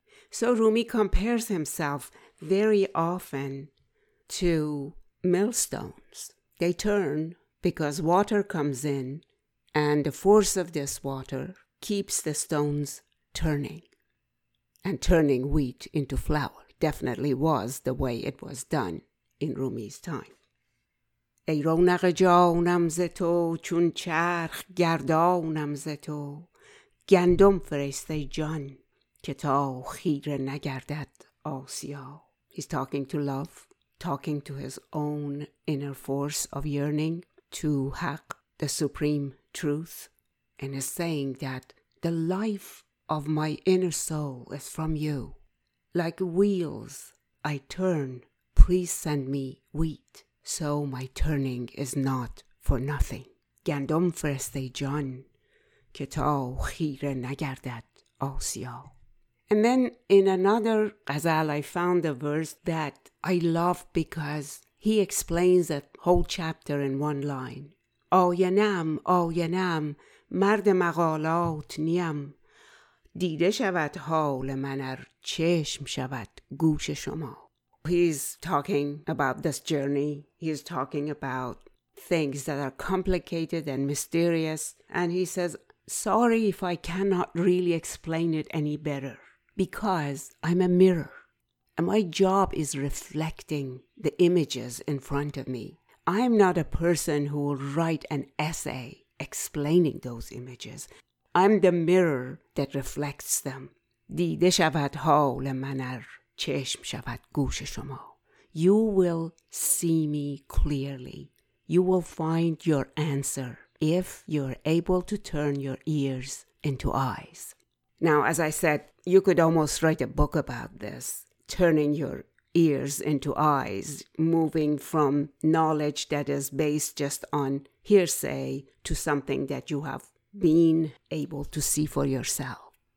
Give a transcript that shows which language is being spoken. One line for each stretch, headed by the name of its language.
English: So Rumi compares himself very often to millstones. They turn because water comes in, and the force of this water keeps the stones turning, and turning wheat into flour definitely was the way it was done in Rumi's time.
Persian: ای رونق جانم ز تو چون چرخ گردانم ز تو گندم فرست ای جان که تا خیره نگردد آسیا.
English: He's talking to love, talking to his own inner force of yearning, to Haq, the supreme truth, and is saying that the life of my inner soul is from you. Like wheels I turn, please send me wheat, so my turning is not for nothing.
Persian: گندم فرسته جان که تا خیره نگردد آسیا.
English: And then in another ghazal, I found a verse that I love because He explains that whole chapter in one line.
Persian: آینم آینم مرد مقالات نیم دیده شود حال من ار چشم شود گوش شما.
English: He's talking about this journey. He's talking about things that are complicated and mysterious. And he says, sorry if I cannot really explain it any better, because I'm a mirror. And my job is reflecting the images in front of me. I'm not a person who will write an essay explaining those images. I'm the mirror that reflects them.
Persian: دیده شود حال من ار چشم شود گوش شما.
English: You will see me clearly. You will find your answer if you're able to turn your ears into eyes. Now, as I said, you could almost write a book about this, turning your ears into eyes, moving from knowledge that is based just on hearsay to something that you have been able to see for yourself.